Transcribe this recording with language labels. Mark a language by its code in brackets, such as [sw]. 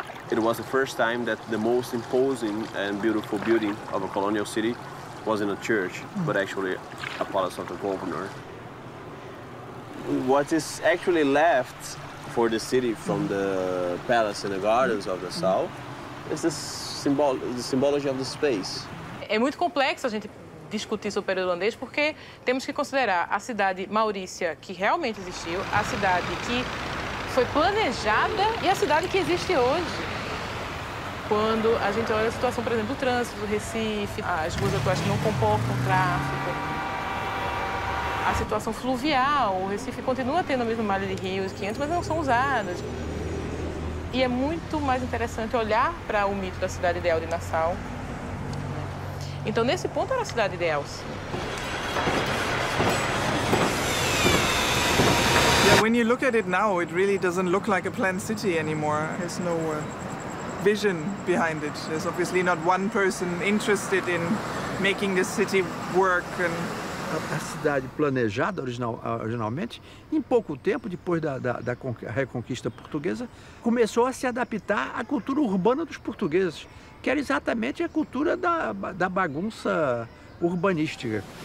[en] It was the first time that the most imposing and beautiful building of a colonial city wasn't a church, but actually a palace of the governor. What is actually left for the city from the palace and the gardens of the south is the symbology of the space. [pt] É muito complexo a gente discutir sobre o período holandês, porque temos que considerar a cidade Maurícia, que realmente existiu, a cidade que foi planejada e a cidade que existe hoje. Quando a gente olha a situação, por exemplo, do trânsito, do Recife, as ruas atuais que não comportam tráfego, a situação fluvial, o Recife continua tendo a mesma malha de rios, 500, mas não são usadas. E é muito mais interessante olhar para o mito da cidade ideal de Nassau. Então, nesse ponto, era a cidade ideal. [en] Yeah, when you look at it now, it really doesn't look like a planned city anymore. There's no vision behind it. There's obviously not one person interested in making this city work. And [pt] a cidade planejada originalmente, em pouco tempo depois da reconquista portuguesa, começou a se adaptar à cultura urbana dos portugueses, que era exatamente a cultura da bagunça urbanística.